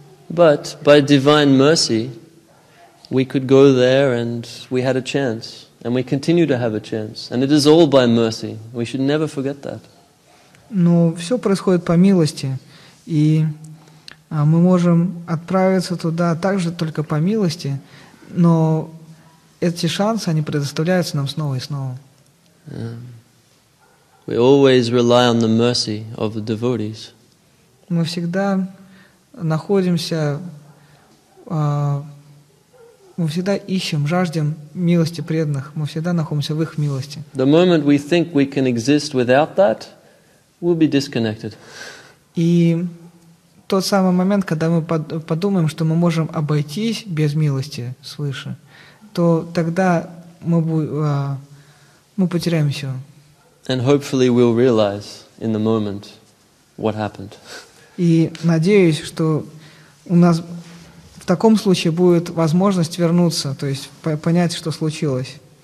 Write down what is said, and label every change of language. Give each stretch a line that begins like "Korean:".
English: But by divine mercy, we could go there and we had a chance, and we continue to have a chance, and it is all by mercy. We should never forget that.
Russian: Но все происходит по милости, и мы можем отправиться туда также только по милости, но эти шансы они предоставляются нам снова и снова.
English: We always rely on the mercy of the devotees.
Russian: Мы всегда находимся, мы всегда ищем, жаждем милости преданных. Мы всегда находимся в их милости.
English: The moment we think we can exist without that, we'll be disconnected.
Russian: И тот самый момент, когда мы подумаем, что мы можем обойтись без милости свыше, то тогда мы потеряем все.
English: And hopefully we'll realize in the moment what happened.
Russian: И надеюсь, что у нас в таком случае будет возможность вернуться, то есть понять, что случилось.